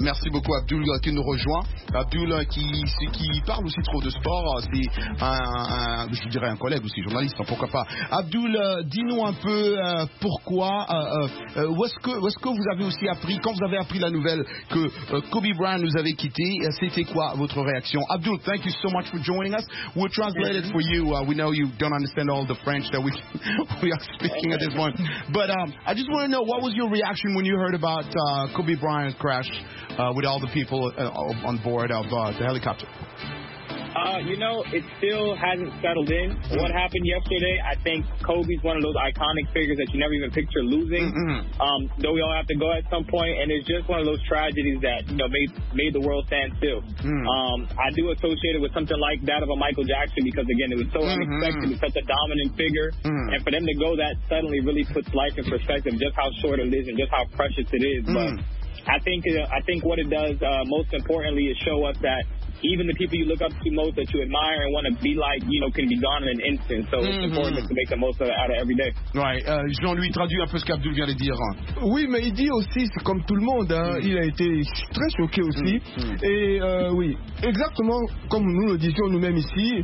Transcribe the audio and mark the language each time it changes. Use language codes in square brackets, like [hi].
[fr] merci beaucoup Abdul qui nous rejoint. Abdul qui parle aussi trop de sport. C'est un collègue aussi, journaliste. Hein, pourquoi pas. Abdul, dis-nous un peu pourquoi. Où est-ce que vous avez aussi appris, quand vous avez appris la nouvelle que Kobe Bryant nous avait quitté, c'était quoi votre réaction? [en] Abdul, thank you so much for joining us. We'll translate it for you. We know you don't understand all the French that we are speaking at this point. But I just want to know, what was your reaction when you heard about Kobe Bryant crash with all the people on board of the helicopter? You know, it still hasn't settled in. What happened yesterday, I think Kobe's one of those iconic figures that you never even picture losing. Mm-hmm. Though we all have to go at some point, and it's just one of those tragedies that, you know, made the world stand still. Mm. I do associate it with something like that of a Michael Jackson because, again, it was so unexpected. Mm-hmm. Such a dominant figure. Mm. And for them to go that suddenly really puts life in perspective, just how short it is and just how precious it is. Mm. But I think what it does most importantly is show us that even the people you look up to most, that you admire and want to be like, you know, can be gone in an instant. So it's important to make the most of it out of every day. Right. [fr] Jean-Louis traduit un peu ce qu'Abdul vient de dire. Oui, mais il dit aussi, c'est comme tout le monde, hein, il a été très choqué aussi. Et exactement comme nous le disions nous-mêmes ici.